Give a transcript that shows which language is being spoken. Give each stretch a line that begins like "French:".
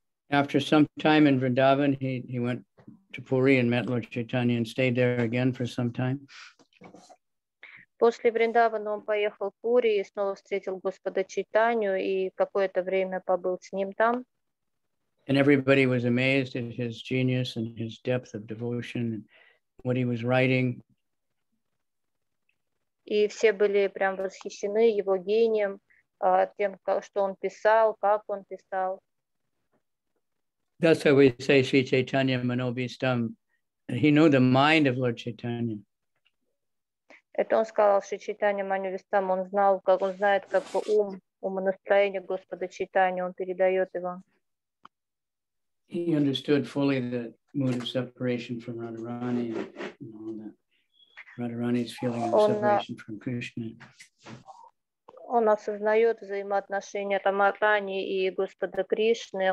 English: After some time in Vrindavan, he went to Puri and met Lord Chaitanya and stayed there again for some time.
Russian: После Вриндавана он поехал в Пури и снова встретил Господа Чайтанью и какое-то время побыл с ним там.
English: And everybody was amazed at his genius and his depth of devotion and what he was writing.
Russian: И все были прям восхищены его гением, тем, что он писал, как он писал.
English: That's how we say Sri Chaitanya Manobhistam. He knew the mind of Lord Chaitanya.
Russian: Это он сказал, Sri Chaitanya Manobhistam. Он знал, как он знает, как ум, умонастроение Господа Чайтанья, он передает его.
English: He understood fully the mood of separation from Radharani and all that. Radharani's feeling of separation from Krishna.
Russian: Он осознает взаимоотношения Рамарани и Господа Кришны.